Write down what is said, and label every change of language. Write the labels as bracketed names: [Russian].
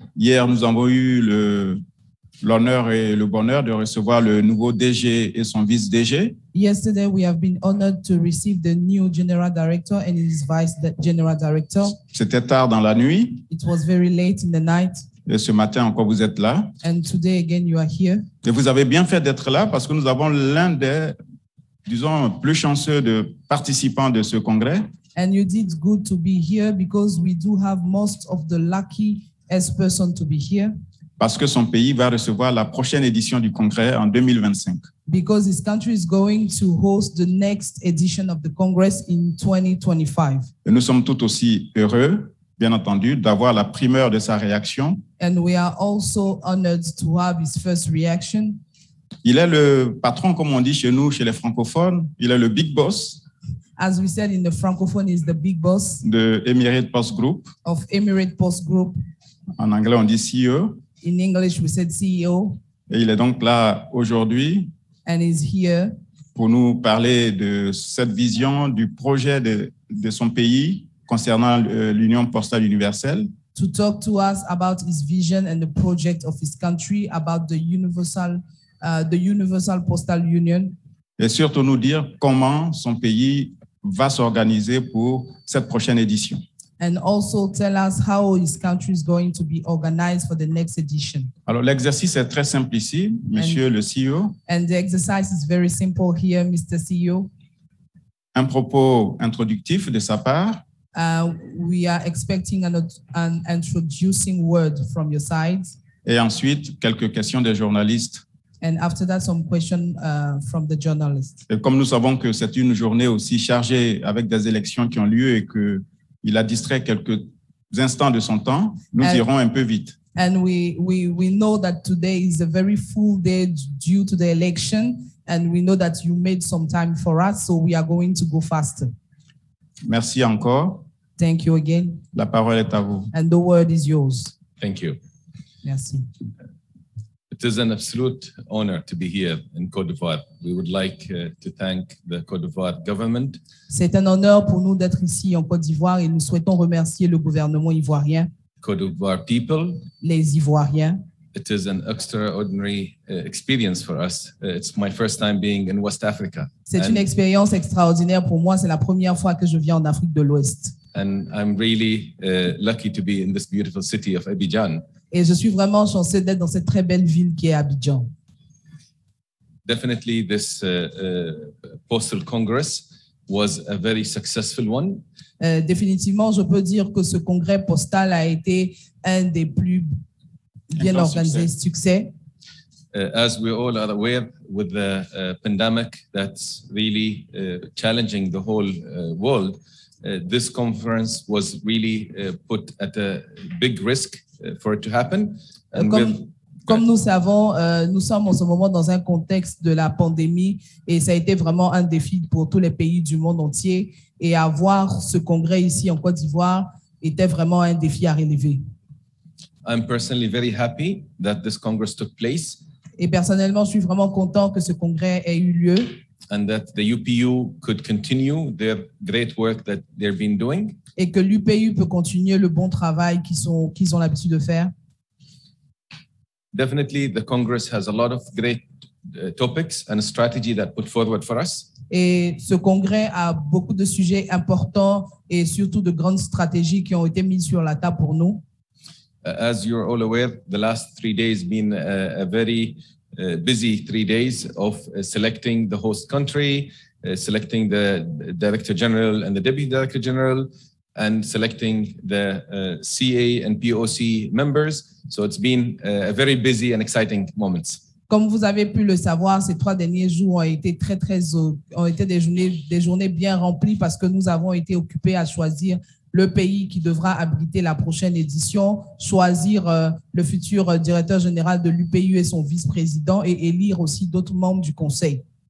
[French] Hier, nous avons eu l'honneur et le bonheur de recevoir le nouveau DG et son vice DG. [English] Yesterday, we have been honored to receive the new general director and his vice general director. [French] C'était tard dans la nuit. [English] It was very late in the night. [French] Et ce matin encore, vous êtes là. [English] And today again, you are here. [French] Et vous avez bien fait d'être là parce que nous avons l'un des, disons, plus chanceux de participants de ce congrès. [English] And you did good to be here because we do have most of the luckiest person to be here. [French] Parce que son pays va recevoir la prochaine édition du congrès en 2025. [English] Because his country is going to host the next edition of the Congress in 2025. [French] Et nous sommes tout aussi heureux, bien entendu, d'avoir la primeur de sa réaction. [English] And we are also honored to have his first reaction. [French] Il est le patron, comme on dit chez nous, chez les francophones. Il est le big boss. [English] As we said in the francophone, he's the big boss. [French] De Emirates Post Group. [English] Of Emirates Post Group. [French] En anglais, on dit CEO. [English] In English, we said CEO. [French] Et il est donc là aujourd'hui. [English] And he's here. [French] Pour nous parler de cette vision, du projet de son pays. Concernant l'Union Postale Universelle. [English] To talk to us about his vision and the project of his country, about the Universal Postal Union. [French] Et surtout nous dire comment son pays va s'organiser pour cette prochaine édition. [English] And also tell us how his country is going to be organized for the next edition. [French] Alors l'exercice est très simple ici, monsieur le CEO. [English] And the exercise is very simple here, Mr. CEO. [French] Un propos introductif de sa part. [English] We are expecting an introducing word from your side. [French] Et ensuite, quelques questions des journalistes. [English] And after that, some questions from the journalists. [French] Et comme nous savons que c'est une journée aussi chargée avec des élections qui ont lieu et qu'il a distrait quelques instants de son temps, nous irons un peu vite. [English] And we know that today is a very full day due to the election. And we know that you made some time for us, so we are going to go faster. [French] Merci encore. [English] Thank you again. [French] La parole est à vous. [English] And the word is yours. Thank you. [French] Merci. [English] It is an absolute honor to be here in Côte d'Ivoire. We would like to thank the Côte d'Ivoire government. [French] C'est un honneur pour nous d'être ici en Côte d'Ivoire et nous souhaitons remercier le gouvernement ivoirien. [English] Côte d'Ivoire people. [French] Les Ivoiriens. [English] It is an extraordinary experience for us. It's my first time being in West Africa. [French] C'est une expérience extraordinaire pour moi. C'est la première fois que je viens en Afrique de l'Ouest. [English] And I'm really lucky to be in this beautiful city of Abidjan. [French] Et je suis vraiment chanceux d'être dans cette très belle ville qui est Abidjan. [English] Definitely, this postal congress was a very successful one. [French] Définitivement, je peux dire que ce congrès postal a été un des plus bien organisé, succès. [English] As we all are aware, with the pandemic that's really challenging the whole world, this conference was really put at a big risk for it to happen. [French] And comme nous savons, nous sommes en ce moment dans un contexte de la pandémie et ça a été vraiment un défi pour tous les pays du monde entier. Et avoir ce congrès ici en Côte d'Ivoire était vraiment un défi à relever. [English] I'm personally very happy that this congress took place. [French] Et personnellement, je suis vraiment content que ce congrès ait eu lieu. [English] And that the UPU could continue their great work that they've been doing. [French] Et que l'UPU peut continuer le bon travail qu'ils ont l'habitude de faire. [English] Definitely, the congress has a lot of great topics and a strategy that put forward for us. [French] Et ce congrès a beaucoup de sujets importants et surtout de grandes stratégies qui ont été mises sur la table pour nous. [English] As you're all aware, the last 3 days have been a very busy 3 days of selecting the host country, selecting the director general and the deputy director general, and selecting the CA and POC members. So it's been a very busy and exciting moments. [French] Comme vous avez pu le savoir, ces 3 derniers jours ont été très, très, ont été des journées bien remplies parce que nous avons été occupés à choisir le pays qui devra abriter la prochaine édition, choisir le futur directeur général de l'UPU et son vice-président et élire aussi d'autres membres du conseil.